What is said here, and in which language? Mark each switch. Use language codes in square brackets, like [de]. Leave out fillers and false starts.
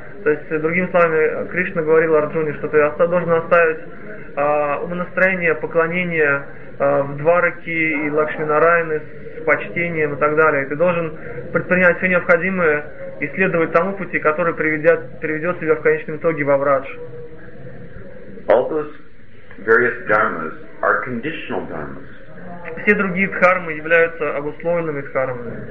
[ru] То есть, другими словами, Кришна говорил Арджуне, что ты должен оставить умонастроение, поклонение в Двараке и Лакшминарайане с почтением и так далее. Ты должен предпринять все необходимое и следовать тому пути, который приведет тебя в конечном итоге во врадж. [en] All those various dharmas are conditional dharmas. [ru] Все другие дхармы являются обусловленными дхармами.